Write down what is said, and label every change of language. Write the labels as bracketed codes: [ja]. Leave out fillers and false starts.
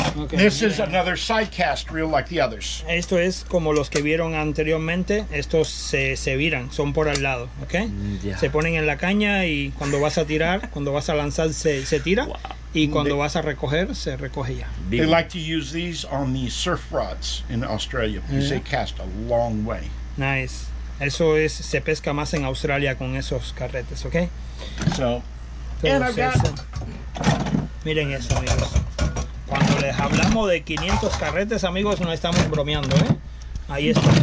[en] This is another side cast reel like the others. [es] Esto es como los que vieron anteriormente. Estos se viran, son por al lado, ¿ok? Yeah. Se ponen en la caña y cuando vas a tirar, cuando vas a lanzar se tira. Wow. Y cuando vas a recoger se recoge ya. Vivo. [en] They like to use these on the surf rods in Australia because they cast a long way. Nice. [es] Eso es, se pesca más en Australia con esos carretes, ¿ok? [en] So. [es] Miren eso, amigos. Cuando les hablamos de 500 carretes, amigos, no estamos bromeando, ¿eh? Ahí está.